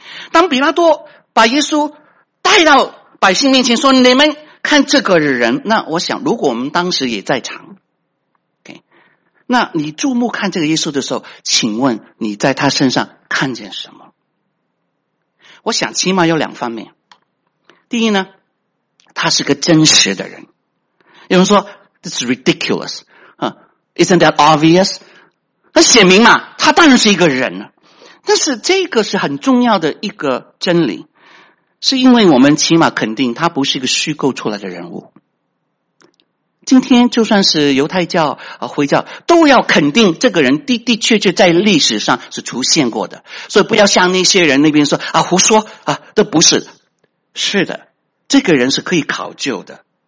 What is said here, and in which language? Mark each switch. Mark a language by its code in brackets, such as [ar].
[zh] 当比拉多把耶稣带到百姓面前说，你们看这个人，那我想如果我们当时也在场 okay, 那你注目看这个耶稣的时候，请问你在他身上看见什么？我想起码有两方面。第一呢，他是个真实的人。有人说 [en] This is ridiculous, Isn't that obvious? [zh] 那显明嘛，他当然是一个人了。但是这个是很重要的一个真理，是因为我们起码肯定他不是一个虚构出来的人物。今天就算是犹太教回教都要肯定这个人的的确确在历史上是出现过的，所以不要像那些人那边说胡说这不是，是的，这个人是可以考究的。